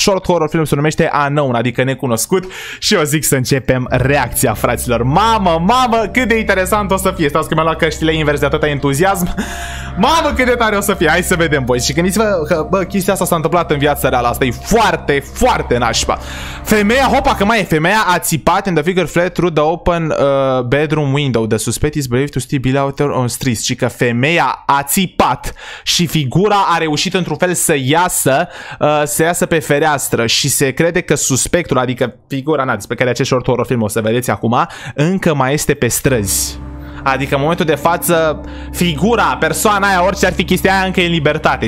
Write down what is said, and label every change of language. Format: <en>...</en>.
<ro>Short horror film se numește Unknown, adică necunoscut, și eu zic să începem reacția. Fraților, mamă, mamă, cât de interesant o să fie. Stați că mi-am luat căștile invers de atâta entuziasm. Mamă, cât de tare o să fie. Hai să vedem, boys. Și gândiți-vă că, bă, chestia asta s-a întâmplat în viața reală. Asta e foarte, foarte nașpa. Femeia, hopa, că mai e. Femeia a țipat</ro> <en>in the figure fled through the open bedroom window. The suspect is believed to still be out there on streets.</en> <ro>Și că femeia a țipat și figura a reușit într-un fel să iasă, să iasă pe fereastră. Și se crede că suspectul, adică figura, na, despre care acest short horror film o să vedeți acum, încă mai este pe străzi. Adică în momentul de față, figura, persoana aia, orice ar fi chestia aia, încă e în libertate.</ro>